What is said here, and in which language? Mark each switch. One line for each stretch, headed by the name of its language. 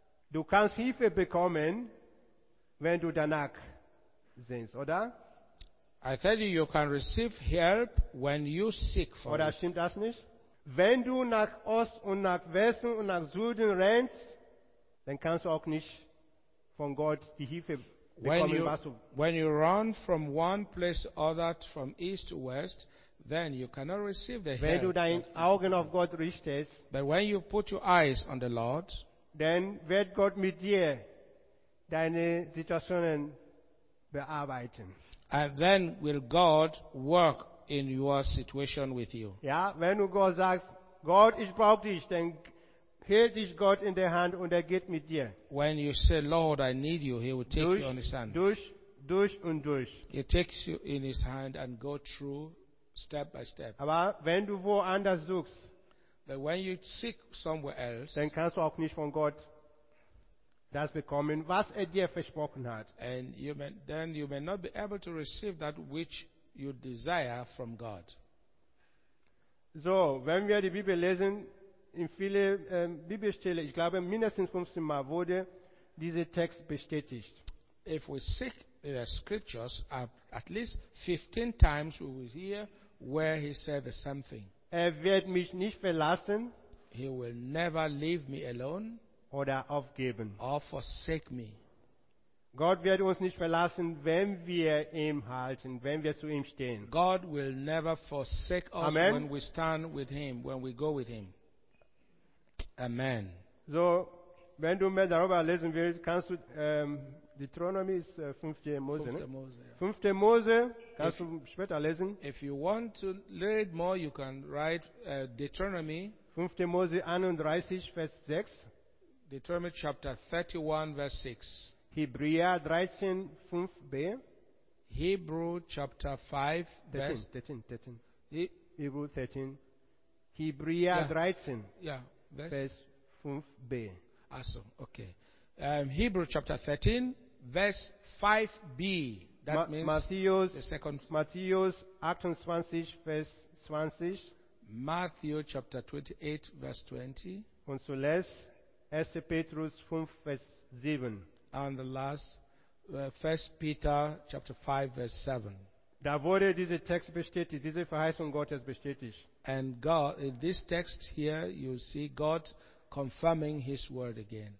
German: Du kannst Hilfe bekommen, wenn du danach sehnst, oder?
English: I tell you, you can receive help when you seek for
German: oder Oder stimmt das nicht? Wenn du nach Ost und nach Westen und nach Süden rennst, dann kannst du auch nicht von Gott die Hilfe bekommen.
English: When you run from one place to other, from east to west, then you cannot receive the help.
German: Wenn du deine Augen auf Gott richtest,
English: but when you put your eyes on the Lord,
German: dann wird Gott mit dir deine Situationen bearbeiten.
English: And then will God work in your situation with you.
German: Ja, wenn du Gott sagst, Gott, ich brauche dich, dann hält dich Gott in der Hand und er geht mit dir.
English: When you say, Lord, I need you, he will take you on his hand.
German: Durch und durch.
English: He takes you in his hand and go through step by step.
German: Aber wenn du woanders suchst,
English: but when you seek somewhere else,
German: dann kannst du auch nicht von Gott das bekommen, was er dir versprochen hat.
English: And you may not be able to receive that which you desire from God.
German: So, wenn wir die Bibel lesen, in viele Bibelstellen, ich glaube mindestens 15 Mal wurde dieser Text bestätigt.
English: If we seek the scriptures, at least 15 times we will hear where he said the same thing.
German: Er wird mich nicht verlassen.
English: He will never leave me alone.
German: Oder aufgeben.
English: Or forsake me.
German: Gott wird uns nicht verlassen, wenn wir ihm halten, wenn wir zu ihm stehen.
English: God will never forsake us. Amen. When we stand with him, when we go with him. Amen.
German: So, wenn du mehr darüber lesen willst, kannst du Deuteronomy 5. Mose, ne? 5. Mose, kannst du später lesen.
English: If you want to read more, you can write Deuteronomy
German: 5. Mose 31, Vers 6.
English: Deuteronomy chapter 31, Vers 6.
German: Hebräer 13, 5b.
English: Hebrew chapter 5, 13. Hebrew 13. Hebräer yeah. 13, yeah.
German: Vers 5b.
English: Awesome, okay. Hebrew chapter 13, verse 5b. That means the second.
German: Matthäus 28, Vers 20.
English: Matthew chapter 28, verse 20.
German: Und zuletzt 1. Petrus 5, Vers 7.
English: And the last, 1 Peter chapter 5, verse 7.
German: Da wurde dieser Text bestätigt, diese Verheißung Gottes bestätigt.
English: And God, in this text here, you see God confirming His word again.